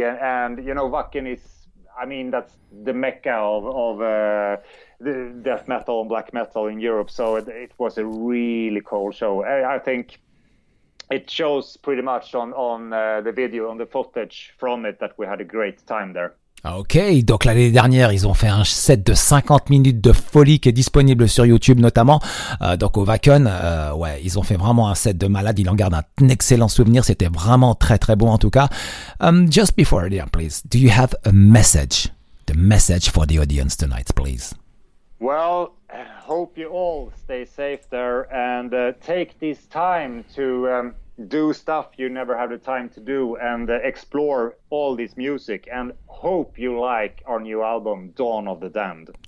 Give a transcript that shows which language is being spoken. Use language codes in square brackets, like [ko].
[en] And you know, Wacken is, I mean, that's the mecca of the death metal and black metal in Europe. So it was a really cool show. I think it shows pretty much on the video, on the footage from it, that we had a great time there. [fr] Ok, donc l'année dernière, ils ont fait un set de 50 minutes de folie qui est disponible sur YouTube notamment, donc au Wacken, ouais, ils ont fait vraiment un set de malade, ils en gardent un excellent souvenir, c'était vraiment très très bon en tout cas. [en] Just before the end, please, do you have a message, the message for the audience tonight, please? Well, hope you all stay safe there and take this time to do stuff you never have the time to do and explore all this music, and hope you like our new album Dawn of the Damned.